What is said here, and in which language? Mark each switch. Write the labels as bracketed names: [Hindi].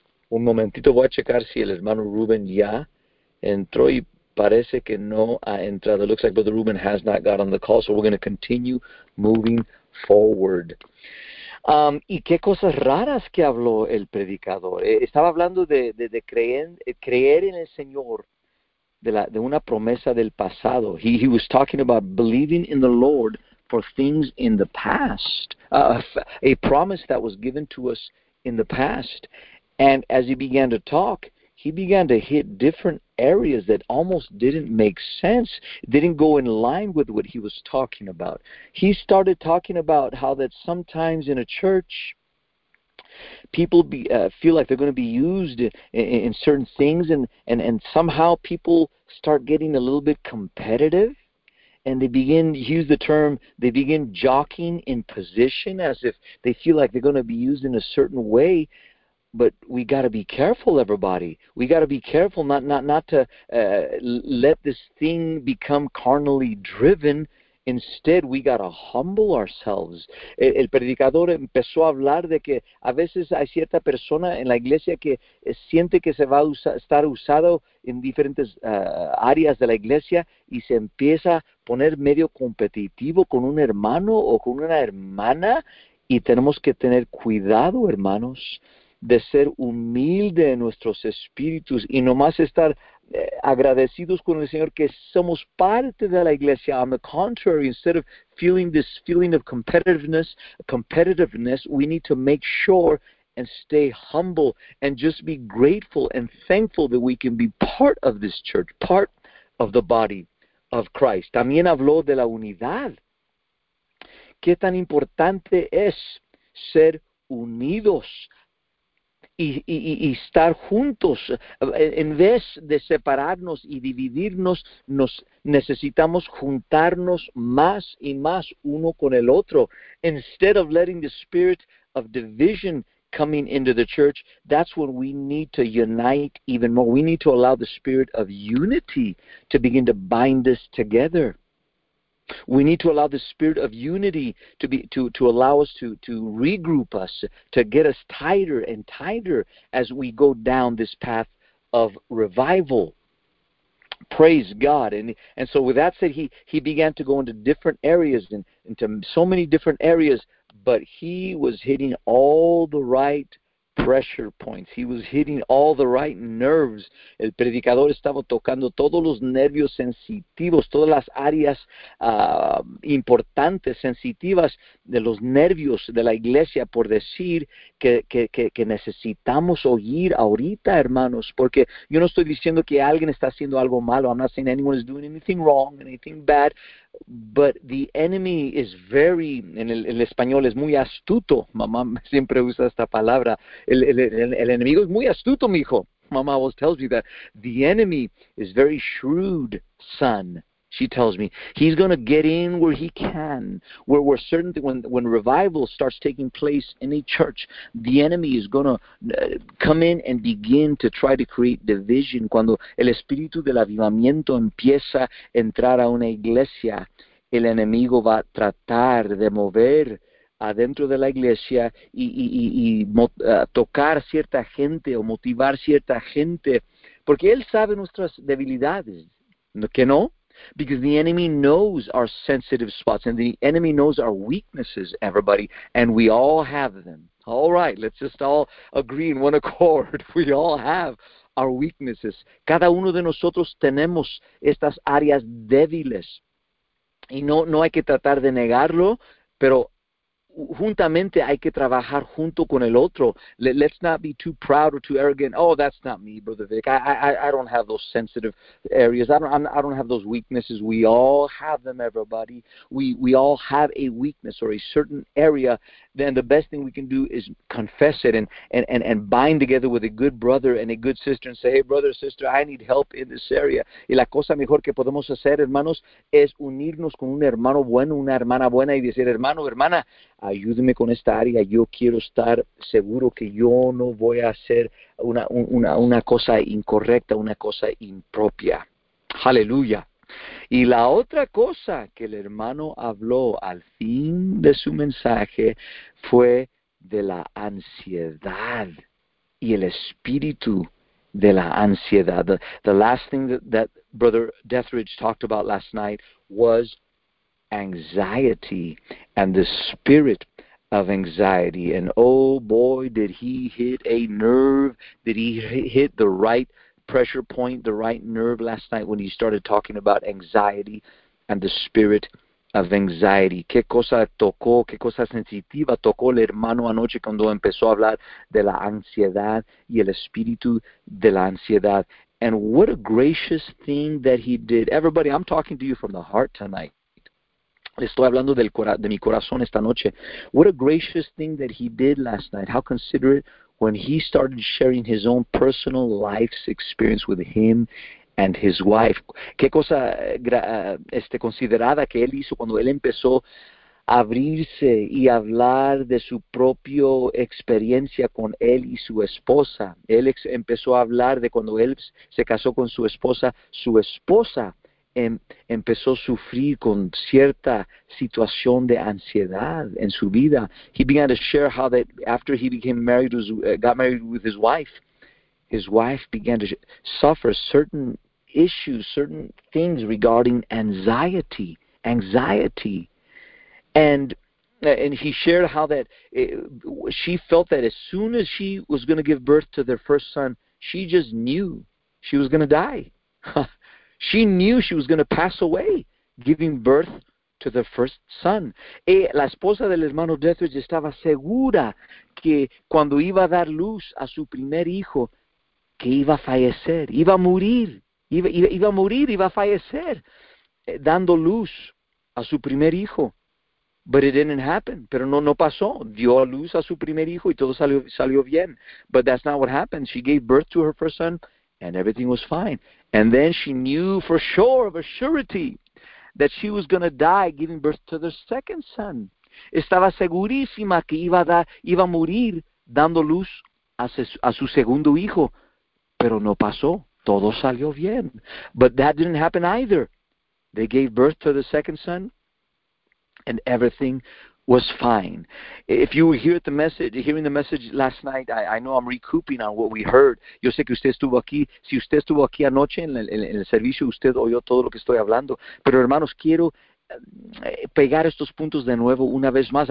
[Spanish] Un momentito, voy a checar si el hermano Ruben ya entró, y parece que no ha entrado. [English] It looks like Brother Ruben has not got on the call, so we're going to continue moving forward. [Spanish] ¿Y qué cosas raras que habló el predicador? Estaba hablando de creer en el Señor, de una promesa del pasado. [English] He was talking about believing in the Lord for things in the past, a promise that was given to us in the past. And as he began to talk, he began to hit different areas that almost didn't make sense, didn't go in line with what he was talking about. He started talking about how that sometimes in a church, people feel like they're going to be used in certain things, and somehow people start getting a little bit competitive, and they begin jockeying in position as if they feel like they're going to be used in a certain way. But we got to be careful, everybody. We got to be careful not to let this thing become carnally driven. Instead, we got to humble ourselves. [Spanish] El predicador empezó a hablar de que a veces hay cierta persona en la iglesia que siente que se va a estar usado en diferentes áreas de la iglesia, y se empieza a poner medio competitivo con un hermano o con una hermana, y tenemos que tener cuidado, hermanos, de ser humilde en nuestros espíritus y nomás estar agradecidos con el Señor que somos parte de la iglesia. [English] On the contrary, instead of feeling this feeling of competitiveness, we need to make sure and stay humble and just be grateful and thankful that we can be part of this church, part of the body of Christ. [Spanish] También habló de la unidad. ¿Qué tan importante es ser unidos y estar juntos? En vez de separarnos y dividirnos, nos necesitamos juntarnos más y más uno con el otro. [English] Instead of letting the spirit of division coming into the church, that's when we need to unite even more. We need to allow the spirit of unity to begin to bind us together. We need to allow the spirit of unity to allow us to regroup us, to get us tighter and tighter as we go down this path of revival. Praise God. And so with that said, he began to go into different areas, into so many different areas, but he was hitting all the right pressure points. He was hitting all the right nerves. [Spanish] El predicador estaba tocando todos los nervios sensitivos, todas las áreas importantes, sensitivas de los nervios de la iglesia, por decir que necesitamos oír ahorita, hermanos, porque yo no estoy diciendo que alguien está haciendo algo malo. [English] I'm not saying anyone is doing anything wrong, anything bad, but the enemy is very, [Spanish] en el español es muy astuto. Mamá siempre usa esta palabra. El enemigo es muy astuto, mijo. [English] Mama always tells me that. The enemy is very shrewd, son, she tells me. He's going to get in where he can, where we're certain that when revival starts taking place in a church, the enemy is going to come in and begin to try to create division. Cuando el espíritu del avivamiento empieza a entrar a una iglesia, el enemigo va a tratar de mover adentro de la iglesia y tocar cierta gente o motivar cierta gente, porque él sabe nuestras debilidades, ¿que no? Because the enemy knows our sensitive spots, and the enemy knows our weaknesses, everybody, and we all have them. All right, let's just all agree in one accord. We all have our weaknesses. [Spanish] Cada uno de nosotros tenemos estas áreas débiles, y no hay que tratar de negarlo, pero juntamente hay que trabajar junto con el otro. [English] Let's not be too proud or too arrogant. Oh, that's not me, Brother Vic. I don't have those sensitive areas. I don't have those weaknesses. We all have them, everybody. We all have a weakness or a certain area. Then the best thing we can do is confess it and bind together with a good brother and a good sister and say, hey, brother, sister, I need help in this area. [Spanish] Y la cosa mejor que podemos hacer, hermanos, es unirnos con un hermano bueno, una hermana buena, y decir, hermano, hermana, ayúdeme con esta área. Yo quiero estar seguro que yo no voy a hacer una cosa incorrecta, una cosa impropia. Aleluya. Y la otra cosa que el hermano habló al fin de su mensaje fue de la ansiedad y el espíritu de la ansiedad. [English] The last thing that Brother Deathridge talked about last night was anxiety and the spirit of anxiety. And oh boy, did he hit a nerve, did he hit the right pressure point, the right nerve last night when he started talking about anxiety and the spirit of anxiety. [Spanish] ¿Qué cosa tocó, qué cosa sensitiva tocó el hermano anoche cuando empezó a hablar de la ansiedad y el espíritu de la ansiedad? [English] And what a gracious thing that he did. Everybody, I'm talking to you from the heart tonight. [Spanish] Estoy hablando de mi corazón esta noche. [English] What a gracious thing that he did last night. How considerate when he started sharing his own personal life's experience with him and his wife. [Spanish] Qué cosa considerada que él hizo cuando él empezó a abrirse y hablar de su propia experiencia con él y su esposa. Él empezó a hablar de cuando él se casó con su esposa. Su esposa empezó a sufrir con cierta situación de ansiedad en su vida. [English] He began to share how that after he became married, got married with his wife began to suffer certain issues, certain things regarding anxiety. And he shared how that she felt that as soon as she was going to give birth to their first son, she just knew she was going to die. She knew she was going to pass away giving birth to the first son. [Spanish] Y la esposa del hermano Dethridge estaba segura que cuando iba a dar luz a su primer hijo, que iba a fallecer, iba a morir, iba a fallecer, dando luz a su primer hijo. [English] But it didn't happen. [Spanish] Pero no pasó. Dio a luz a su primer hijo y todo salió bien. [English] But that's not what happened. She gave birth to her first son and everything was fine. And then she knew for sure, of a surety, that she was going to die giving birth to the second son. [Spanish] Estaba segurísima que iba a morir dando luz a su segundo hijo. Pero no pasó. Todo salió bien. [English] But that didn't happen either. They gave birth to the second son and everything was fine. If you were hearing the message last night, I know I'm recouping on what we heard. [Spanish] Yo sé que usted estuvo aquí. Si usted estuvo aquí anoche en el servicio, usted oyó todo lo que estoy hablando. Pero hermanos, quiero pegar estos puntos de nuevo una vez más.